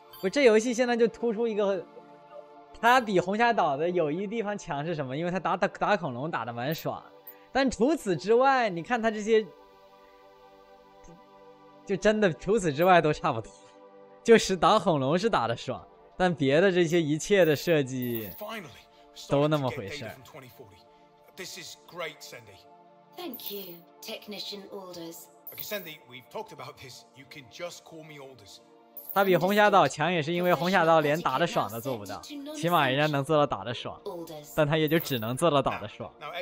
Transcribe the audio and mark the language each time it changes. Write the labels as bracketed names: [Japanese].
[Chinese] 不，这游戏现在就突出一个。他比红霞岛的有一地方强是什么？因为他打恐龙打得蛮爽，但除此之外，你看他这些，就真的除此之外都差不多，就是打恐龙是打得爽，但别的这些一切的设计都那么回事。 [English] This is great, Sandy. Thank you, Technician Alders. Okay, Sandy, we've talked about this. You can just call me Alders. [Chinese] 他比红霞岛强也是因为红霞岛连打得爽都做不到，起码人家能做到打得爽，但他也就只能做到打得爽。